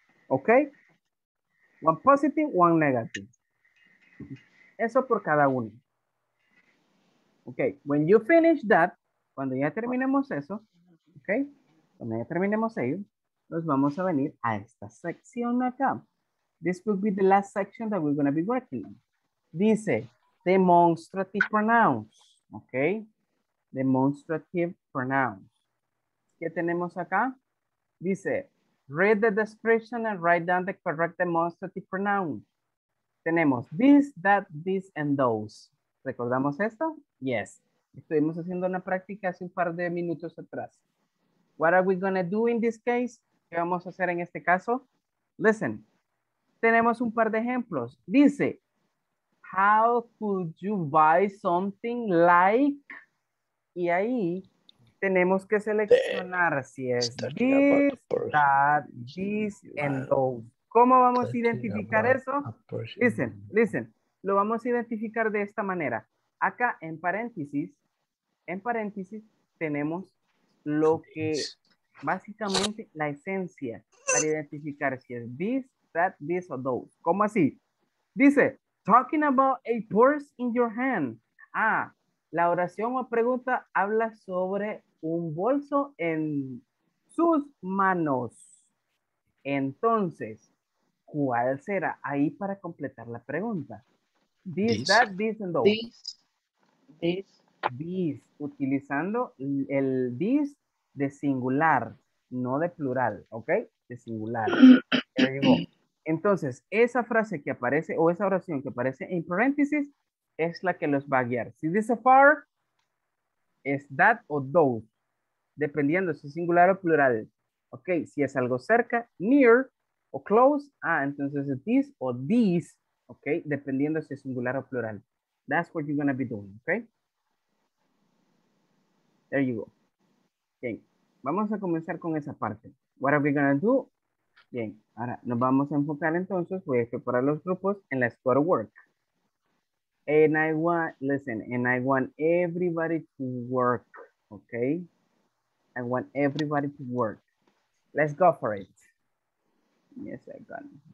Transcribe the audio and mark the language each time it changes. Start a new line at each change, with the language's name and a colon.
English: ¿Ok? One positive, one negative.
Spanish: Eso por cada uno.
English: Ok. When you finish that,
Spanish: cuando ya terminemos eso,
English: ¿ok?
Spanish: Cuando ya terminemos ello, nos vamos a venir a esta sección acá.
English: This will be the last section that we're going to be working on. Dice, demonstrative pronouns. ¿Ok?
Spanish: Demonstrative pronouns. ¿Qué tenemos acá?
English: Dice, read the description and write down the correct demonstrative pronoun.
Spanish: Tenemos this, that, this, and those. ¿Recordamos esto? Yes. Estuvimos haciendo una práctica hace un par de minutos atrás.
English: What are we going to do in this case?
Spanish: ¿Qué vamos a hacer en este caso? Listen. Tenemos un par de ejemplos.
English: Dice, how could you buy something like?
Spanish: Y ahí tenemos que seleccionar si es this, that, this, and those. ¿Cómo vamos a identificar eso? Listen, listen. Lo vamos a identificar de esta manera. Acá en paréntesis, tenemos lo que básicamente la esencia para identificar si es this, that, this, or those. ¿Cómo así?
English: Dice, talking about a purse in your hand.
Spanish: Ah, la oración o pregunta habla sobre un bolso en sus manos. Entonces, ¿cuál será ahí para completar la pregunta?
English: This, this. That, this, and those. This. This.
Spanish: This. Utilizando el this de singular, no de plural, ¿ok? De singular. Entonces, esa frase que aparece o esa oración que aparece en paréntesis es la que los va a guiar. Si dice far, es that o those, dependiendo si es singular o plural. Ok, si es algo cerca, near o close, ah, entonces es this o these, ok, dependiendo si es singular o plural.
English: That's what you're gonna be doing, ok. There you go.
Spanish: Bien, vamos a comenzar con esa parte.
English: What are we gonna do?
Spanish: Bien, ahora nos vamos a enfocar entonces, voy a separar los grupos en la score work.
English: And I want, listen, and I want everybody to work, okay? I want everybody to work. Let's go for it. Yes, I got it.